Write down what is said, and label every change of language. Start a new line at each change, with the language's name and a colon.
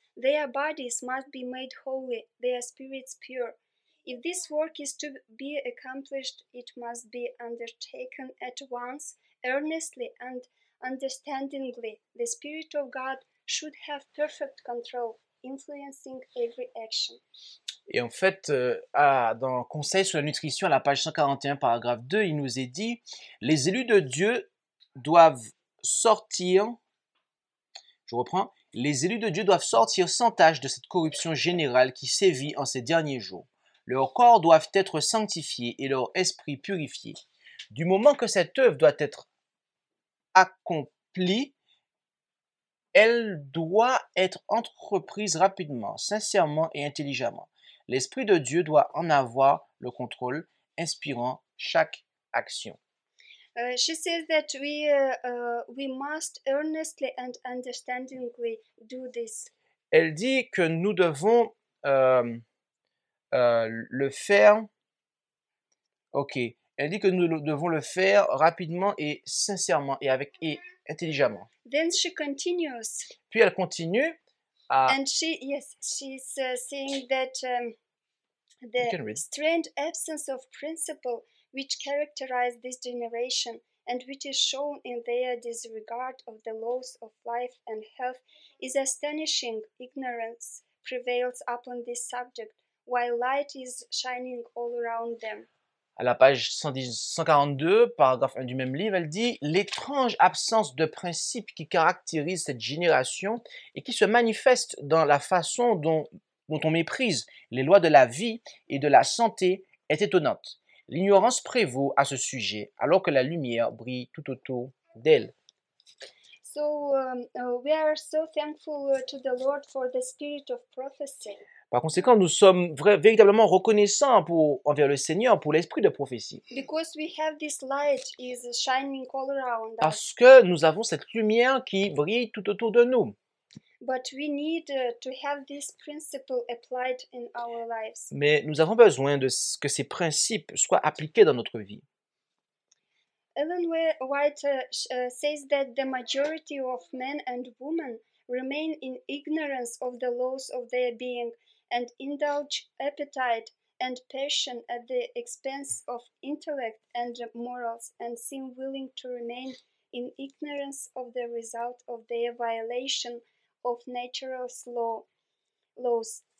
English: Their bodies must be made holy, their spirits pure. If this work is to be accomplished, it must be undertaken at once, earnestly and understandingly. The Spirit of God should have perfect control, influencing every action.
French: Et en fait, dans Conseil sur la nutrition, à la page 141, paragraphe 2, il nous est dit, les élus de Dieu doivent sortir, je reprends, les élus de Dieu doivent sortir sans tache de cette corruption générale qui sévit en ces derniers jours. Leurs corps doivent être sanctifiés et leur esprit purifié. Du moment que cette œuvre doit être accomplie, elle doit être entreprise rapidement, sincèrement et intelligemment. L'Esprit de Dieu doit en avoir le contrôle, inspirant chaque action.
English: She says that we must earnestly and understandingly do this.
French: Elle dit que nous devons le faire. Ok. Elle dit que nous devons le faire rapidement et sincèrement et avec et intelligemment.
English: Then she continues.
French: Puis elle continue. À...
English: And she yes, she's saying that the strange absence of principle which characterized this generation and which is shown in their disregard of the laws of life and health is astonishing. Ignorance prevails upon this subject. While light is shining all around them.
French: À la page 142, paragraphe 1 du même livre, elle dit « L'étrange absence de principes qui caractérise cette génération et qui se manifeste dans la façon dont on méprise les lois de la vie et de la santé est étonnante. L'ignorance prévaut à ce sujet alors que la lumière brille tout autour d'elle. »
English: So, we are so thankful to the Lord for the spirit of prophecy.
French: Par conséquent, nous sommes véritablement reconnaissants envers le Seigneur pour l'esprit de prophétie.
English: Because we have this light is shining all around us.
French: Parce que nous avons cette lumière qui brille tout autour de nous.
English: But we need to have this principle applied in our lives.
French: Mais nous avons besoin de ce que ces principes soient appliqués dans notre vie.
English: Ellen White says that the majority of men and women remain in ignorance of the laws of their being and indulge appetite and passion at the expense of intellect and morals, and seem willing to remain in ignorance of the result of their violation of nature's laws.